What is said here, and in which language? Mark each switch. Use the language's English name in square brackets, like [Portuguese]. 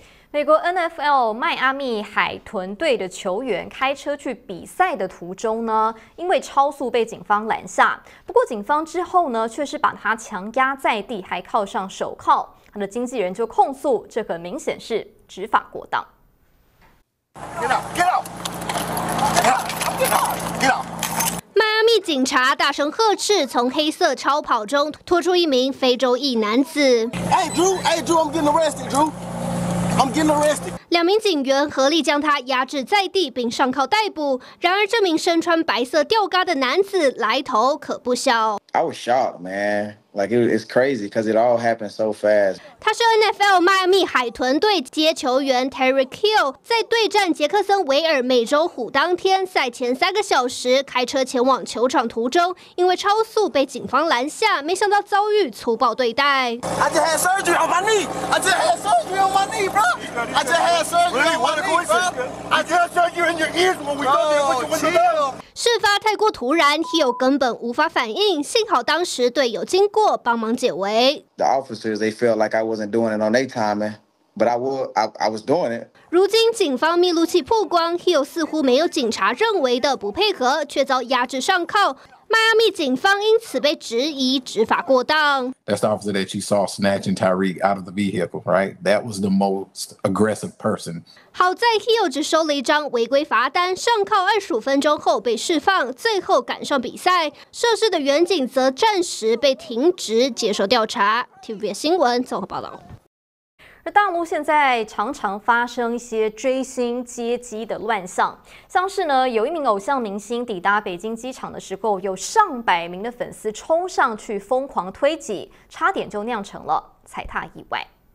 [Chinese] 美国 NFL 迈阿密海豚队的球员开车去比赛的途中呢，因为超速被警方拦下，不过警方之后呢，却是把他强压在地，还铐上手铐。他的经纪人就控诉，这很明显是执法过当。迈阿密警察大声呵斥，从黑色超跑中拖出一名非洲裔男子。 [English] Hey Drew, hey Drew, I'm getting arrested, Drew. I'm getting arrested. [Chinese] 两名警员合力将他压制在地，并上铐逮捕。然而，这名身穿白色吊嘎的男子来头可不小。 [English] I was shocked, man. Like it's crazy because it all happened so fast. [Chinese] 他是 NFL 迈阿密海豚队接球员 Terry Kill， 在对战杰克森维尔美洲虎当天，赛前3个小时开车前往球场途中，因为超速被警方拦下，没想到遭遇粗暴对待。 [English] I just had surgery on my knee. I just had surgery on my knee, bro. I just had surgery on my knee, bro. I just had surgery in your ears when we come in with the window. [Chinese] 事发太过突然 ，Hill 根本无法反应，幸好当时队友经过帮忙解围。 [English] The officers they felt like I wasn't doing it on their timing, but I was doing it. [Chinese] 如今警方密录器曝光 ，Hill 似乎没有警察认为的不配合，却遭压制上铐。迈阿密警方因此被质疑执法过当。 [English] That's the officer that you saw snatching Tyreek out of the vehicle, right? That was the most aggressive person. [Chinese] 好在 Hill 只收了一张违规罚单，上铐25分钟后被释放，最后赶上比赛。涉事的员警则暂时被停职接受调查。 TVBS 新闻综合报道。而大陆现在常常发生一些追星接机的乱象，像是呢，有一名偶像明星抵达北京机场的时候，有上百名的粉丝冲上去疯狂推挤，差点就酿成了踩踏意外。